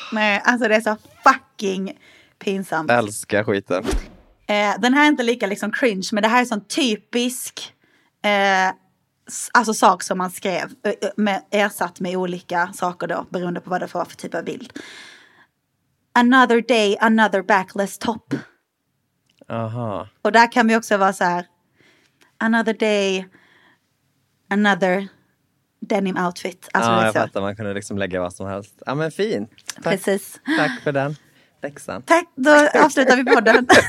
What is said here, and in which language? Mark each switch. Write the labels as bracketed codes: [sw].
[sv] Nej, alltså det är så fucking pinsamt. Älskar skiten. Den här är inte lika liksom cringe, men det här är sån typisk... alltså sak som man skrev med, ersatt med olika saker då beroende på vad det var för typ av bild. [en] Another day, another backless top. [sv] Aha. Och där kan vi också vara så här. [en] Another day, another denim outfit. [sv] Alltså ja, liksom. Jag fattar, man kunde liksom lägga vad som helst. Ja men fin. Precis. Tack för den läxan. Tack, då avslutar vi på den.